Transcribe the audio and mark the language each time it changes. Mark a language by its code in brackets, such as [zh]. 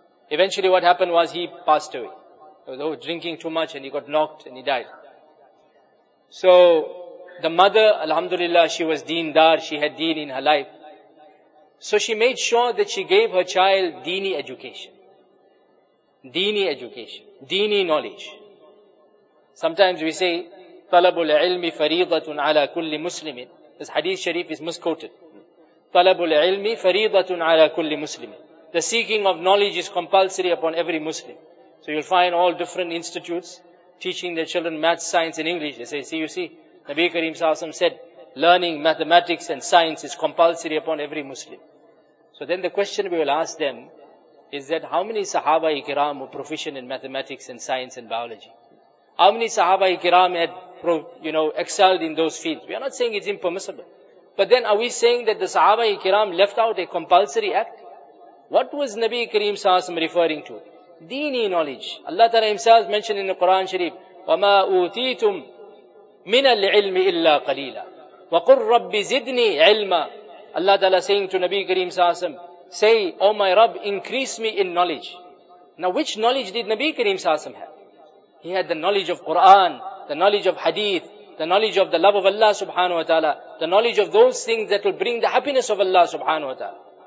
[en] Eventually what happened was he passed away. He was drinking too much and he got knocked and he died. So the mother, alhamdulillah, she was deendar. She had deen in her life. So she made sure that she gave her child deeni education. Deeni education. Deeni knowledge. Sometimes we say, [ar] طَلَبُ الْعِلْمِ فَرِيضَةٌ عَلَى كُلِّ مُسْلِمٍ. [en] This hadith sharif is misquoted. [ar] طَلَبُ الْعِلْمِ فَرِيضَةٌ عَلَى كُلِّ مُسْلِمٍ. [en] The seeking of knowledge is compulsory upon every Muslim. So you'll find all different institutes teaching their children math, science and English. They say, see, you see, Nabi Kareem Sallallahu Alaihi Wasallam said, learning mathematics and science is compulsory upon every Muslim. So then the question we will ask them is that how many Sahaba-i-Kiram were proficient in mathematics and science and biology? How many Sahaba-i-Kiram had, you know, excelled in those fields? We are not saying it's impermissible. But then are we saying that the Sahaba-i-Kiram left out a compulsory act? What was Nabi Kareem Sahasam referring to? Deeni knowledge. Allah Ta'ala Himself mentioned in the Quran Sharif, [ar] وَمَا أُوتِيتُمْ مِنَ الْعِلْمِ إِلَّا قَلِيلًا وَقُرْ رَبِّ زِدْنِي عِلْمًا. [en] Allah Ta'ala saying to Nabi Kareem Sahasam, say, O my Rabb, increase me in knowledge. Now which knowledge did Nabi Kareem Sahasam have? He had the knowledge of Quran, the knowledge of Hadith, the knowledge of the love of Allah Subhanahu Wa Ta'ala, the knowledge of those things that will bring the happiness of Allah Subhanahu Wa Ta'ala.